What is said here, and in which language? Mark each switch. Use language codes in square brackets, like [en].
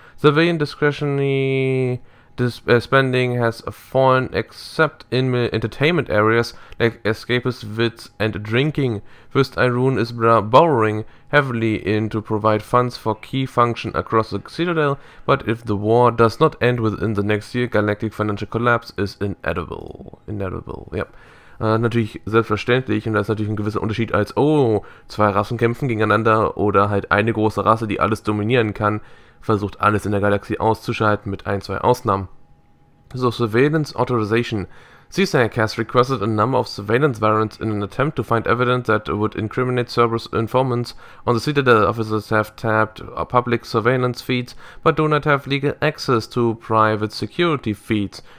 [en] Civilian discretionary spending has fallen except in entertainment areas like escapist wits and drinking. First Irune is borrowing heavily in to provide funds for key function across the Citadel, but if the war does not end within the next year, galactic financial collapse is inevitable. Inevitable, yep. [de] Natürlich selbstverständlich, und da ist natürlich ein gewisser Unterschied als, oh, zwei Rassen kämpfen gegeneinander oder halt eine große Rasse, die alles dominieren kann, versucht alles in der Galaxie auszuschalten mit ein, zwei Ausnahmen. So, Surveillance Authorization. [en] CSAC has requested a number of surveillance variants in an attempt to find evidence that would incriminate Cerberus informants on the Citadel. Officers have tapped public surveillance feeds, but do not have legal access to private security feeds.